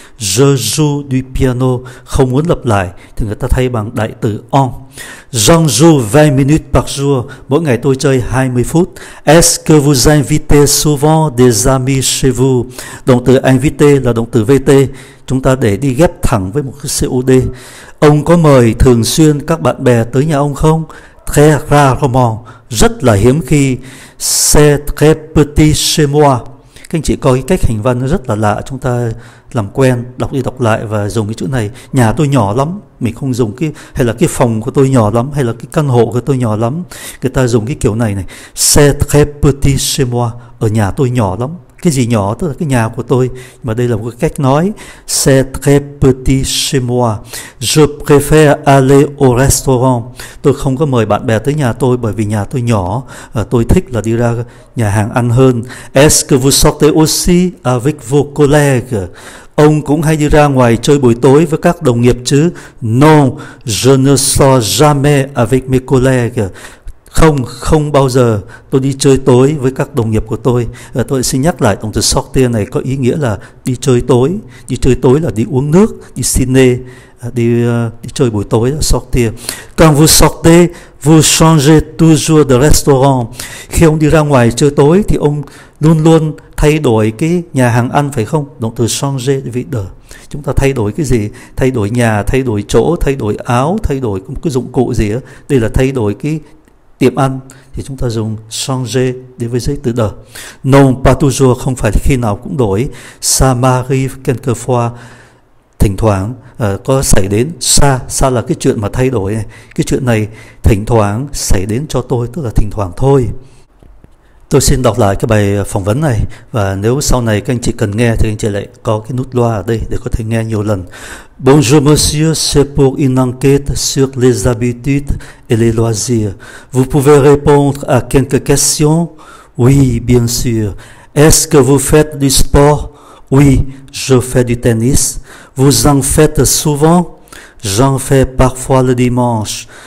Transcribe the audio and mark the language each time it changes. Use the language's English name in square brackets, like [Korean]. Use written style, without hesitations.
[French] Je joue du piano, [Vietnamese] không muốn lập lại thì người ta thay bằng đại từ on. [French] J'en joue 20 minutes par jour. [Vietnamese] Mỗi ngày tôi chơi 20 phút. [French] Est-ce que vous invitez souvent des amis chez vous? [Vietnamese] Động từ inviter là động từ VT. Chúng ta để đi ghép thẳng với một cái COD. Ông có mời thường xuyên các bạn bè tới nhà ông không? [French] Très rarement, [Vietnamese] rất là hiếm khi. [French] C'est très petit chez moi. [Vietnamese] Các anh chị coi cái cách hành văn nó rất là lạ, chúng ta làm quen, đọc đi đọc lại và dùng cái chữ này. Nhà tôi nhỏ lắm, mình không dùng cái, hay là cái phòng của tôi nhỏ lắm, hay là cái căn hộ của tôi nhỏ lắm. Người ta dùng cái kiểu này này. [French] C'est très petit chez moi. [Vietnamese] Ở nhà tôi nhỏ lắm. Cái gì nhỏ? Tức là cái nhà của tôi. Mà đây là một cái cách nói. [French] C'est très petit chez moi. Je préfère aller au restaurant. [Vietnamese] Tôi không có mời bạn bè tới nhà tôi bởi vì nhà tôi nhỏ. Tôi thích là đi ra nhà hàng ăn hơn. [French] Est-ce que vous sortez aussi avec vos collègues? [Vietnamese] Ông cũng hay đi ra ngoài chơi buổi tối với các đồng nghiệp chứ? [French] Non, je ne sors jamais avec mes collègues. [Vietnamese] Không, không bao giờ tôi đi chơi tối với các đồng nghiệp của tôi. Tôi xin nhắc lại, động từ sortir này có ý nghĩa là đi chơi tối. Đi chơi tối là đi uống nước, đi ciné, đi chơi buổi tối, sortir. [French] Quand vous sortez, vous changez toujours de restaurant. [Vietnamese] Khi ông đi ra ngoài chơi tối thì ông luôn luôn thay đổi cái nhà hàng ăn, phải không? Động từ changer vị đờ. Chúng ta thay đổi cái gì? Thay đổi nhà, thay đổi chỗ, thay đổi áo, thay đổi một cái dụng cụ gì á. Đây là thay đổi cái tiệm ăn, thì chúng ta dùng changer đối với giới từ de. [French] Non, pas toujours, [Vietnamese] không phải khi nào cũng đổi. [French] Ça m'arrive quelquefois, [Vietnamese] thỉnh thoảng có xảy đến. Ça là cái chuyện mà thay đổi. Cái chuyện này thỉnh thoảng xảy đến cho tôi, tức là thỉnh thoảng thôi. Tôi xin đọc lại cái bài phỏng vấn này, và nếu sau này các anh chị cần nghe thì anh chị lại có cái nút loa ở đây để có thể nghe nhiều lần. [French] Bonjour monsieur, c'est pour une enquête sur les habitudes et les loisirs. Vous pouvez répondre à quelques questions? Oui, bien sûr. Est-ce que vous faites du sport? Oui, je fais du tennis. Vous en faites souvent? J'en fais parfois le dimanche.